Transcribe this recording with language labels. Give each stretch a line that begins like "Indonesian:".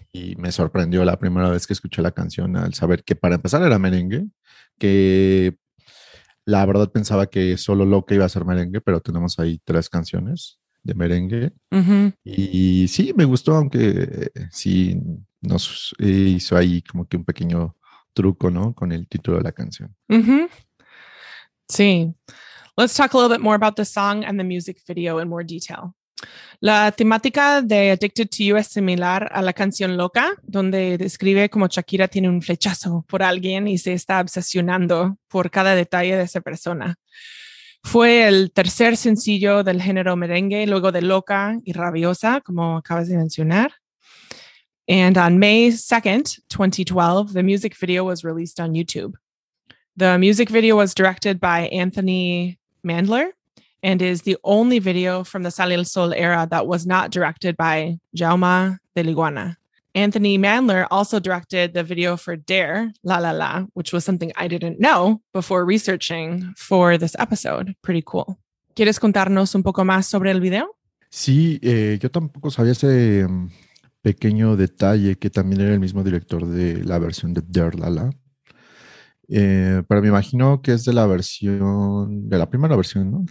Spanish: Y me sorprendió la primera vez que escuché la canción al saber que para empezar era merengue, que la verdad pensaba que solo Loca iba a ser merengue, pero tenemos ahí tres canciones de merengue. Uh-huh. Y sí, me gustó, aunque sí nos hizo ahí como que un pequeño truco, ¿no? Con el título de la canción. Uh-huh. Sí.
English: Let's talk a little bit more about the song and the music video in more detail.
Spanish: La temática de Addicted to You es similar a la canción Loca, donde describe cómo Shakira tiene un flechazo por alguien y se está obsesionando por cada detalle de esa persona. Fue el tercer sencillo del género merengue, luego de Loca y Rabiosa, como acabas de mencionar.
English: And on May 2nd, 2012, the music video was released on YouTube. The music video was directed by Anthony Mandler and is the only video from the Sale el Sol era that was not directed by Jaume de Liguana. Anthony Mandler also directed the video for Dare, La La La, which was something I didn't know before researching for this episode. Pretty cool.
Spanish: ¿Quieres contarnos un poco más sobre el video? Sí, yo tampoco sabía ese pequeño detalle que también era el mismo director de la versión de Dare, La La. Pero me imagino que es de la versión, de la primera versión, ¿no?